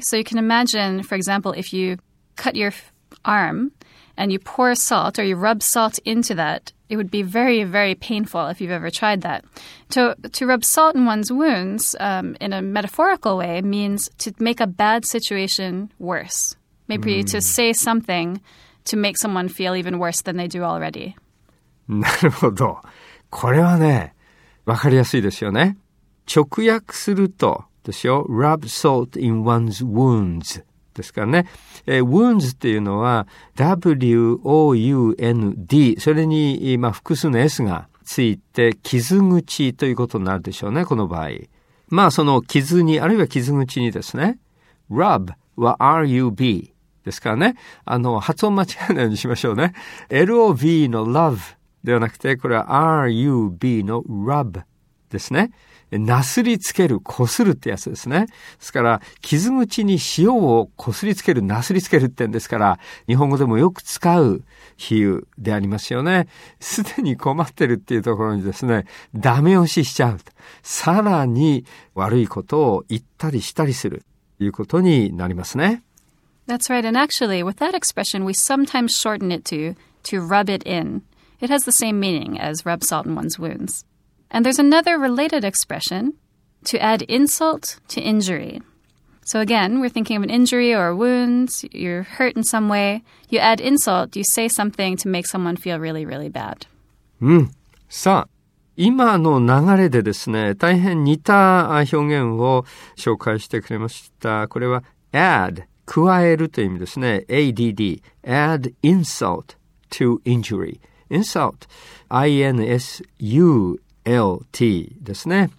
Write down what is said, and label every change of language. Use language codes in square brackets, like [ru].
[en] So you can imagine, for example, if you cut your arm and you pour salt or you rub salt into that, it would be very, very painful if you've ever tried that. So to rub salt in one's wounds, in a metaphorical way, means to make a bad situation worse. Maybe to say something to make someone feel even worse than they do already. [ja] なるほど。これはね、わかりやすいですよね。直訳するとですよ、 [en] rub salt in one's wounds [ja] ですからね、wounds っていうのは WOUND、 それに、まあ、複数の S がついて傷口ということになるでしょうね、この場合。まあその傷に、あるいは傷口にですね、 rub は RUB ですからね、あの発音間違えないようにしましょうね。 LOV の love ではなくて、これは RUB の rub ですね。なすりつける、こするってやつですね。ですから、傷口に塩をこすりつける、なすりつけるってんですから、日本語でもよく使う比喩でありますよね。すでに困ってるっていうところにですね、ダメ押ししちゃう。さらに悪いことを言ったりしたりするということになりますね。 [en] That's right. And actually, with that expression, we sometimes shorten it to rub it in. It has the same meaning as rub salt in one's wounds. And there's another related expression, to add insult to injury. So again, we're thinking of an injury or wounds, you're hurt in some way, you add insult, you say something to make someone feel really, really bad. [ja] さあ、今の流れでですね、大変似た表現を紹介してくれました。これは add、加えるという意味ですね。 [en] ADD、add insult to injury。 insult, insult ですね。